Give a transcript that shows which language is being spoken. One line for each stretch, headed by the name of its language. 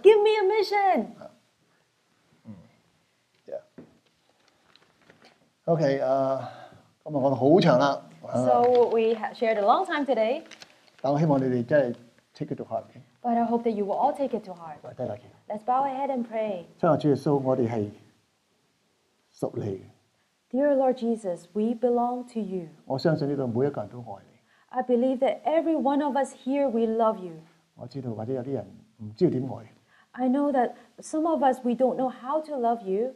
English: Give me a mission。
Cantonese: OK， 今日我哋好長啦。
English: So we shared a long time today。
Cantonese: 但我希望你哋真係
English: take it to heart。 But I hope that you will all take it to heart。
Cantonese: 低落去。
English: Let's bow our head and pray。
Cantonese: 親愛主耶穌，我哋係屬你嘅。
English: Dear Lord Jesus, we belong to you。
Cantonese: 我相信呢度每一個人都愛你。
English: I believe that every one of us here we love you。
Cantonese: 我知道或者有啲人唔知道點愛。
English: I know that some of us we don't know how to love you。